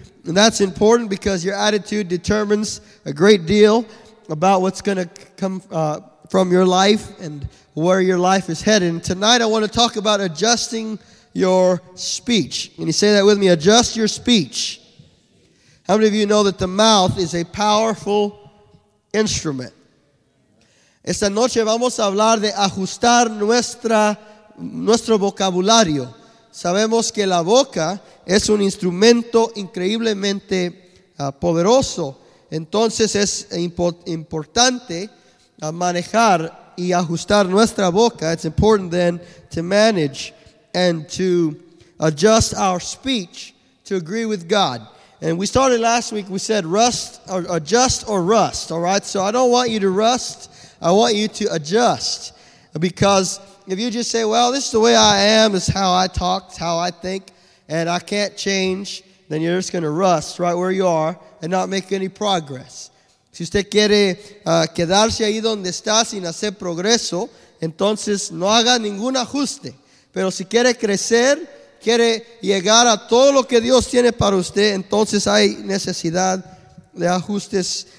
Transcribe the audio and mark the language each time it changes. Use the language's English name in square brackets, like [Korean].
[English] And that's important because your attitude determines a great deal about what's going to come from your life and where your life is headed. And tonight, I want to talk about adjusting your speech. Can you say that with me? Adjust your speech. How many of you know that the mouth is a powerful instrument? [Spanish] Esta noche vamos a hablar de ajustar nuestro vocabulario. Sabemos que la boca es un instrumento increíblemente poderoso. Entonces es importante manejar y ajustar nuestra boca. [English] It's important then to manage and to adjust our speech to agree with God. And we started last week, we said rust or adjust or rust, all right? So I don't want you to rust. I want you to adjust, because if you just say, well, this is the way I am, this is how I talk, it's how I think, and I can't change, then you're just going to rust right where you are and not make any progress. [Spanish] Si usted quiere quedarse ahí donde está sin hacer progreso, entonces no haga ningún ajuste. Pero si quiere crecer, quiere llegar a todo lo que Dios tiene para usted, entonces hay necesidad de ajustes.